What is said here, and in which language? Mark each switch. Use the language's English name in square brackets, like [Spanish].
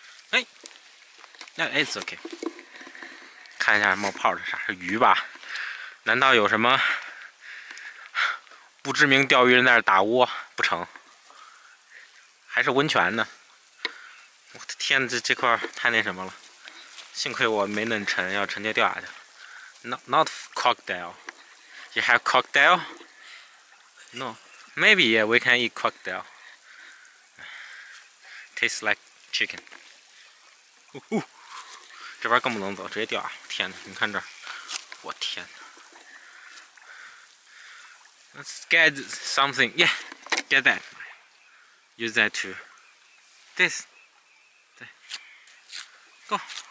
[Chinese] 哎，那 [English] it's okay， [Chinese] 看一下冒泡是啥，是鱼吧？难道有什么？不知名钓鱼人在那打窝不成？还是温泉呢？我的天，这块太那什么了，幸亏我没弄沉，要沉就掉下去了。 [English] not crocodile， you have crocodile？ No， maybe yeah, we can eat crocodile， tastes like chicken。 [Chinese] 这边更不能走，直接掉啊！天哪，你看这儿，我天， [English] Let's get something. Yeah, get that. Use that too. This. [Chinese] 对 [English] Go.